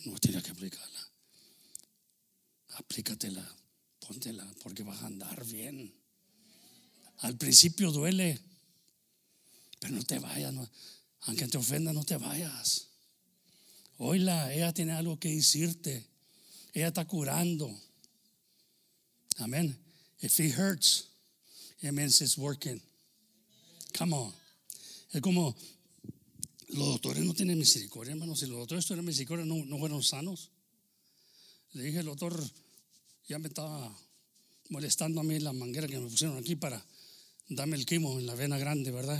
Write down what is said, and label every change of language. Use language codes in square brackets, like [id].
[es] No, tenía que aplicarla. Aplícatela, póntela, porque vas a andar bien. Al principio duele, pero no te vayas. No, aunque te ofenda, no te vayas. Oíla, ella tiene algo que decirte. Ella está curando. Amén. [en] If he hurts, it means it's working. Come on. [es] Es como los doctores no tienen misericordia, hermano. Si los doctores tuvieran misericordia, no fueron sanos. Le dije, el doctor ya me estaba molestando a mí la manguera que me pusieron aquí para darme el quimo en la vena grande, ¿verdad?